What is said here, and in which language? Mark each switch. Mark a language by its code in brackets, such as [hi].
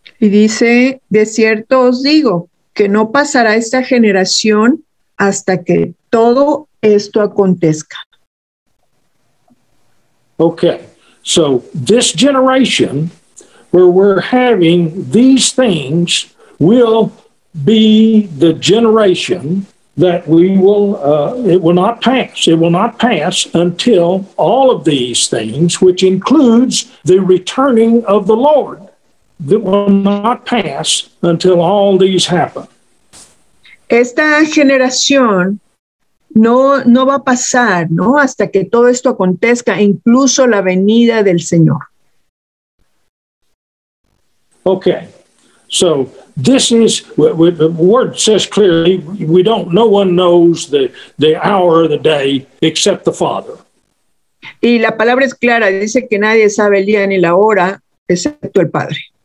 [es] Y dice: De cierto os digo que no pasará esta generación hasta que todo esto acontezca. [en] Okay, so this generation where we're having these things will be the generation that we will, it will not pass. It will not pass until all of these things, which includes the returning of the Lord, that will not pass until all these happen. [es] Esta generación no va a pasar, ¿no? Hasta que todo esto acontezca, incluso la venida del Señor. Okay. [en] So, this is, the word says clearly, we don't, no one knows the hour or the day except the Father. [es] Y la palabra es clara, dice que nadie sabe el día ni la hora, excepto el Padre.